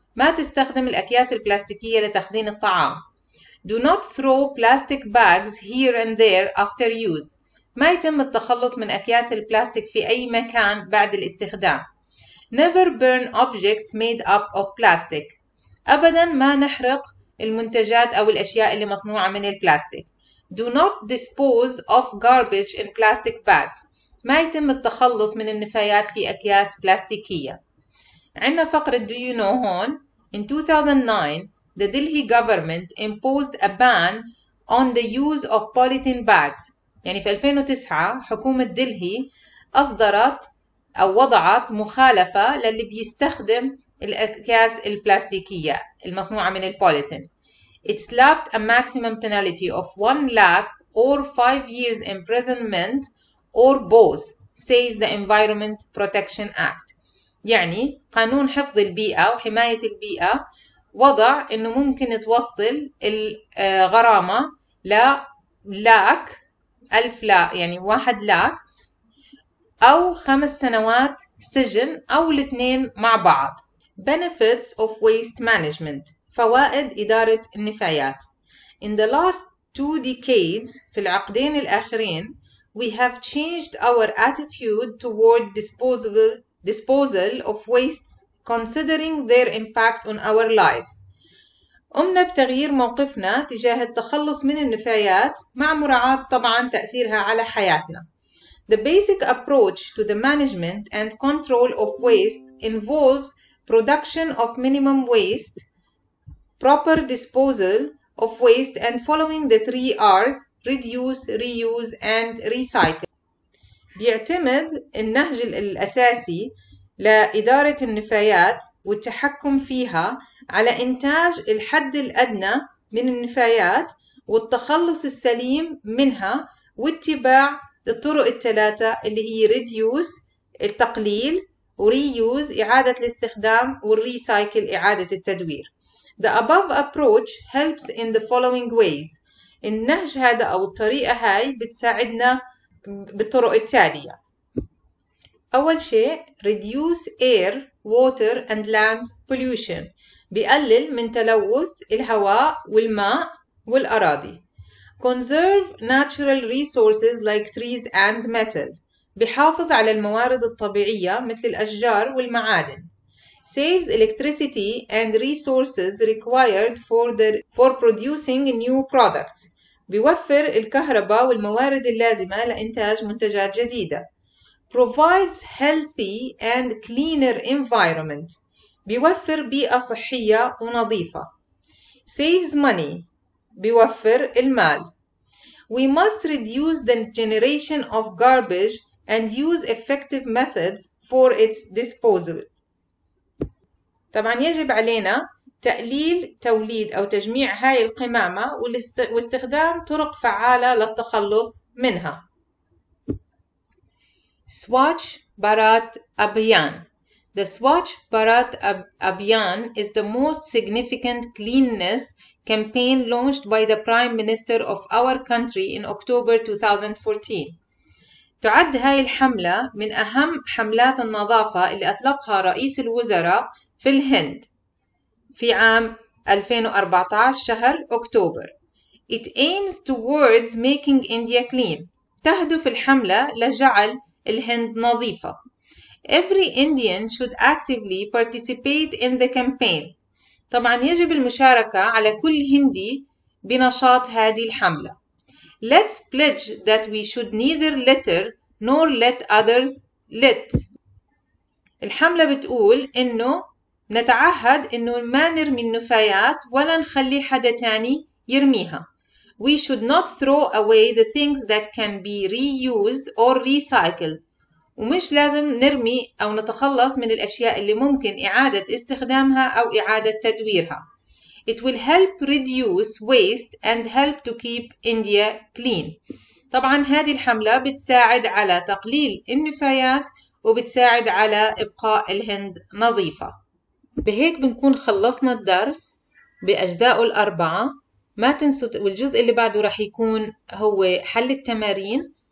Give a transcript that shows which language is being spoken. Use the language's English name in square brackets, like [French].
[Arabic] ما تستخدم الأكياس البلاستيكية لتخزين الطعام. [English] Do not throw plastic bags here and there after use. [Arabic] ما يتم التخلص من أكياس البلاستيك في أي مكان بعد الاستخدام. [English] Never burn objects made up of plastic. [Arabic] أبداً ما نحرق المنتجات أو الأشياء اللي مصنوعة من البلاستيك. [English] Do not dispose of garbage in plastic bags. [Arabic] ما يتم التخلص من النفايات في أكياس بلاستيكية. عندنا فقرة [English] Do you know [Arabic] هون. [English] In 2009, the Delhi government imposed a ban on the use of polythene bags. [Arabic] يعني في 2009 حكومة دلهي أصدرت أو وضعت مخالفة للي بيستخدم الأكياس البلاستيكية المصنوعة من البوليثين. [English] It slapped a maximum penalty of 1 lakh or 5 years imprisonment or both, says the Environment Protection Act. [Arabic] يعني قانون حفظ البيئة وحماية البيئة وضع إنه ممكن توصل الغرامة ل لاك 1000 lakh يعني 1 lakh أو 5 سنوات سجن أو الاثنين مع بعض. [English] Benefits of waste management. [Arabic] فوائد إدارة النفايات. [English] In the last 2 decades, [Arabic] في العقدين الآخرين, [English] we have changed our attitude toward disposal of wastes, considering their impact on our lives. [Arabic] قمنا بتغيير موقفنا تجاه التخلص من النفايات مع مراعاة طبعاً تأثيرها على حياتنا. [English] The basic approach to the management and control of waste involves production of minimum waste, proper disposal of waste, and following the 3 R's, reduce, reuse, and recycle. [Arabic] بيعتمد النهج الأساسي لإدارة النفايات والتحكم فيها على إنتاج الحد الأدنى من النفايات والتخلص السليم منها واتباع الطرق الثلاثة اللي هي reduce التقليل وreuse إعادة الاستخدام والrecycle إعادة التدوير. [English] The above approach helps in the following ways. [Arabic] النهج هذا أو الطريقة هاي بتساعدنا بالطرق التالية. أول شيء [English] reduce air, water and land pollution. [Arabic] بيقلل من تلوث الهواء والماء والأراضي. [English] Conserve natural resources like trees and metal. [Arabic] بيحافظ على الموارد الطبيعية مثل الأشجار والمعادن. [English] Saves electricity and resources required for producing new products. [Arabic] بيوفر الكهرباء والموارد اللازمة لإنتاج منتجات جديدة. [English] Provides healthy and cleaner environment. [Arabic] بيوفر بيئة صحية ونظيفة. [English] Saves money. [Arabic] بيوفر المال. [English] We must reduce the generation of garbage and use effective methods for its disposal. [Arabic] طبعا يجب علينا تقليل توليد أو تجميع هاي القمامة واستخدام طرق فعالة للتخلص منها. [English] Swachh Bharat Abhiyan. The Swachh Bharat Abhiyan is the most significant cleanness campaign launched by the Prime Minister of our country in October 2014. [Arabic] تعد هاي الحملة من أهم حملات النظافة اللي أطلقها رئيس الوزراء في الهند في عام 2014 شهر أكتوبر. [English] It aims towards making India clean. [Arabic] تهدف الحملة لجعل الهند نظيفة. [English] Every Indian should actively participate in the campaign. [Arabic] طبعاً يجب المشاركة على كل هندي بنشاط هذه الحملة. [English] Let's pledge that we should neither litter nor let others lit. [Arabic] الحملة بتقول إنه نتعهد إنه ما نرمي النفايات ولا نخلي حدا تاني يرميها. [English] We should not throw away the things that can be reused or recycled. [Arabic] ومش لازم نرمي أو نتخلص من الأشياء اللي ممكن إعادة استخدامها أو إعادة تدويرها. [English] It will help reduce waste and help to keep India clean. [Arabic] طبعاً هذه الحملة بتساعد على تقليل النفايات وبتساعد على إبقاء الهند نظيفة. بهيك بنكون خلصنا الدرس بأجزائه الأربعة. ما تنسوا والجزء اللي بعده راح يكون هو حل التمارين.